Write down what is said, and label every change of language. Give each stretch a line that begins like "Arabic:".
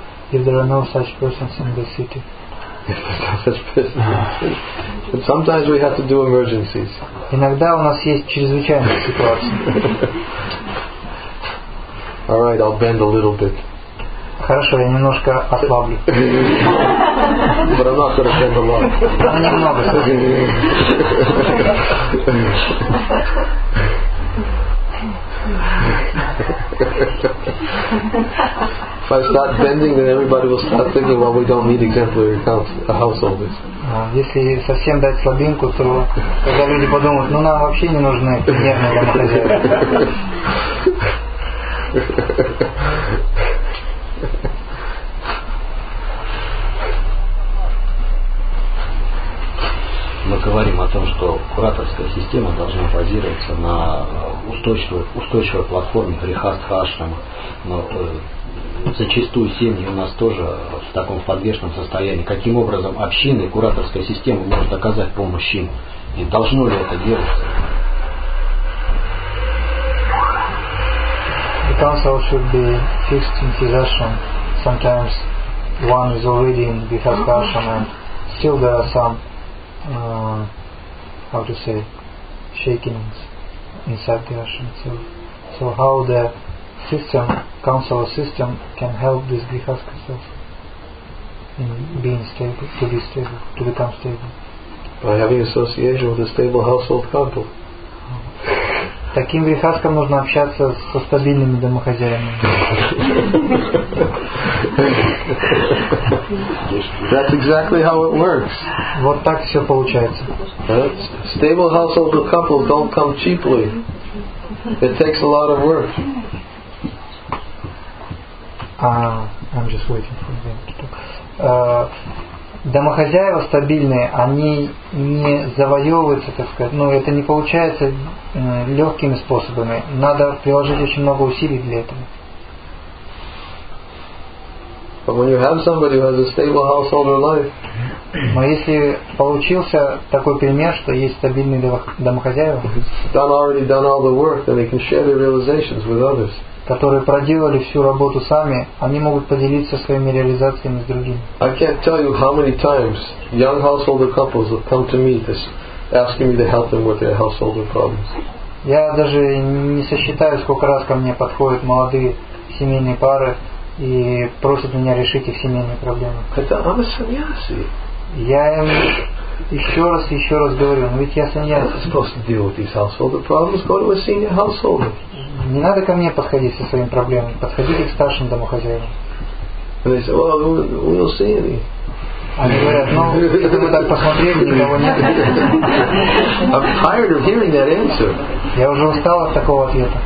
English: If there are no such persons in the city. But sometimes we have to do emergencies.
Russian: Иногда у нас есть чрезвычайные ситуации.
English: All right, I'll bend a little bit.
Russian: Хорошо, я немножко ослаблю.
English: But I'm not gonna bend a lot.
Russian: Немного.
English: If I start bending, then everybody will start thinking, well, we don't need exemplary householders.
Russian: Если совсем дать слабинку, то тогда люди подумают, ну нам вообще не нужны примерные домохозяйки. Мы говорим о том, что кураторская система должна базироваться на устойчивой платформе грехастха-ашрама. Но зачастую семьи у нас тоже в таком подвешенном состоянии. Каким образом общины и кураторская система может оказать помощь им? И должно ли это делаться?
English: The council should be fixed in his ashram. Sometimes one is already in grihastha ashram and still there are some shakings inside the ashram. So how the system, counselor system, can help this grihastha self in being stable, to be stable, to become stable? By having association with a stable household council.
Russian: Таким грехаткам нужно общаться со стабильными домохозяевами.
English: That's exactly how it works.
Russian: Вот так все получается.
English: Stable household couples don't come cheaply. It takes a lot of work. I'm just waiting for them to talk.
Russian: Домохозяева стабильные, они не завоевываются, так сказать, но это не получается легкими способами. Надо приложить очень много усилий для этого.
English: But when you have somebody who has a stable household life.
Russian: Но если получился такой пример, что есть стабильные домохозяева,
English: already done all the work, then they can share their realizations with others.
Russian: Которые проделали всю работу сами, они могут поделиться своими реализациями с другими.
English: I can't tell you how many times young householder couples have come to me asking me to help them with their householder problems.
Russian: Я даже не сосчитаю, сколько раз ко мне подходят молодые семейные пары и просят меня решить их семейные проблемы. Это
English: I'm a sannyasi.
Russian: Я им еще раз говорю, но ведь я sannyasi.
English: I'm not supposed to deal with these householder problems. Go to a senior householder.
Russian: Не надо ко мне подходить со своими проблемами. Подходите к старшим домохозяевам.
English: And they say, well, we'll see.
Russian: Они говорят, ну, если мы так посмотрели, никого нет.
English: I'm tired of hearing that answer.
Russian: Я уже устал от такого ответа.